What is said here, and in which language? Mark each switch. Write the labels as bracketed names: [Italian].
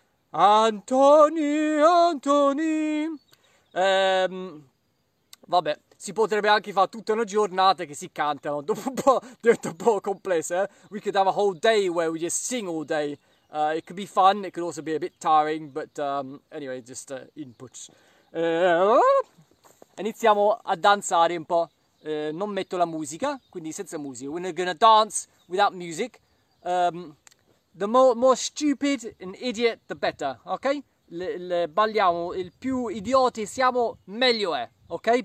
[Italian] Antoni, Antoni. Vabbè, si potrebbe anche fare tutta una giornata che si cantano. Dopo un po' diventa un po' complesso, eh? [English] We could have a whole day where we just sing all day. It could be fun, it could also be a bit tiring, but anyway, just inputs. [Italian] Iniziamo a danzare un po'. Non metto la musica, quindi senza musica. [English] We're not gonna dance without music. The more stupid and idiot, the better, ok? [Italian] Balliamo, il più idioti siamo, meglio è, ok?